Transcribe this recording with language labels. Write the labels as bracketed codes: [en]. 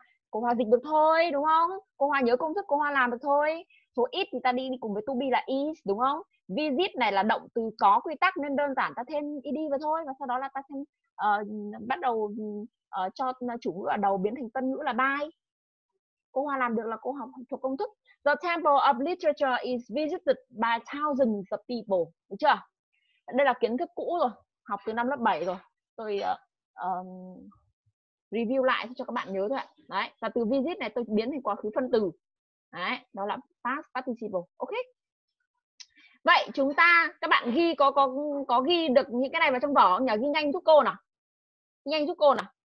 [vi] Cô Hoa dịch được thôi đúng không? Cô Hoa nhớ công thức, cô Hoa làm được thôi. Số ít thì ta đi cùng với to be là is đúng không? Visit này là động từ có quy tắc nên đơn giản ta thêm ed vào thôi và sau đó là ta thêm bắt đầu cho chủ ngữ ở đầu biến thành tân ngữ là by. Cô Hoa làm được là cô học thuộc công thức. [en] The temple of literature is visited by thousands of people. [vi] Được chưa? Đây là kiến thức cũ rồi, học từ năm lớp 7 rồi. Tôi review lại cho các bạn nhớ thôi ạ. Đấy, và từ visit này tôi biến thành quá khứ phân từ. Đấy, đó là past participle. Ok. Vậy chúng ta, các bạn ghi có ghi được những cái này vào trong vở không nhỉ? Ghi nhanh giúp cô nào. Nhanh giúp cô nào.